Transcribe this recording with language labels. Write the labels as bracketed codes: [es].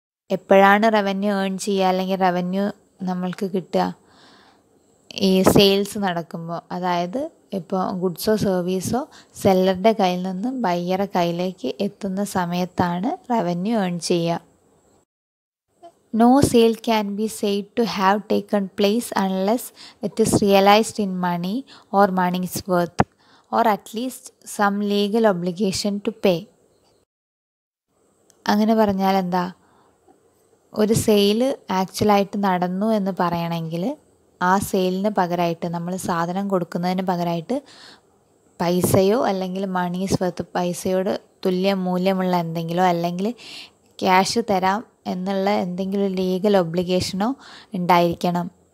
[ml] എപ്പോഴാണ് revenue earn ചെയ്യുക അല്ലെങ്കിൽ റവന്യൂ നമ്മൾക്ക് കിട്ടുക? ഈ സെയിൽസ് നടക്കുമ്പോൾ, അതായത് ഇപ്പോൾ ഗുഡ്സോ സർവീസോ സെല്ലറുടെ കയ്യിൽ നിന്ന് ബയ്യറുടെ കയ്യിലേക്ക് എത്തുന്ന സമയത്താണ് റവന്യൂ ഏൺ ചെയ്യുക. [en] No sale can be said to have taken place unless it is realized in money or money's worth or at least some legal obligation to pay. [ml] അങ്ങനെ പറഞ്ഞാൽ എന്താ, ഒരു സെയില് ആക്ച്വലായിട്ട് നടന്നു എന്ന് പറയണമെങ്കിൽ ആ സെയിലിന് പകരമായിട്ട് നമ്മൾ സാധനം കൊടുക്കുന്നതിന് പകരമായിട്ട് പൈസയോ അല്ലെങ്കിൽ മണീസ് വർത്ത്, പൈസയോട് തുല്യ മൂല്യമുള്ള എന്തെങ്കിലോ അല്ലെങ്കിൽ ക്യാഷ് തരാം എന്നുള്ള എന്തെങ്കിലും ലീഗൽ ഒബ്ലിഗേഷനോ ഉണ്ടായിരിക്കണം.